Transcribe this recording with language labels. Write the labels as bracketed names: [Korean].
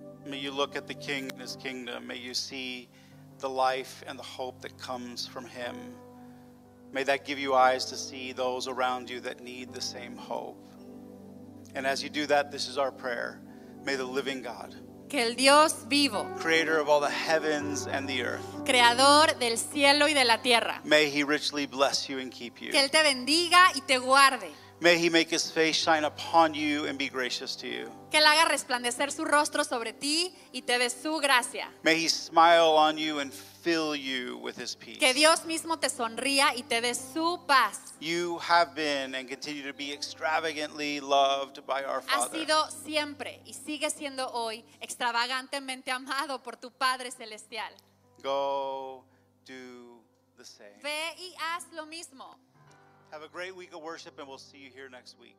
[English] May you look at the King and his kingdom. May you see the life and the hope that comes from him. May that give you eyes to see those around you that need the same hope. And as you do that, this is our prayer. May the living God, [Spanish] que el Dios vivo, [English] creator of all the heavens and the earth, [Spanish] creador del cielo y de la tierra, [English] may he richly bless you and keep you. [Spanish] Que él te bendiga y te guarde. [English] May he make his face shine upon you and be gracious to you. [Spanish] Que él haga resplandecer su rostro sobre ti y te dé su gracia. [English] May he smile on you and fill you with his peace. [Spanish] Que Dios mismo te sonría y te dé su paz. [English] You have been and continue to be extravagantly loved by our Father. [Spanish] Has sido siempre y sigue siendo hoy extravagantemente amado por tu Padre celestial. [English] Go do the same. [Spanish] Ve y haz lo mismo. [English] Have a great week of worship, and we'll see you here next week.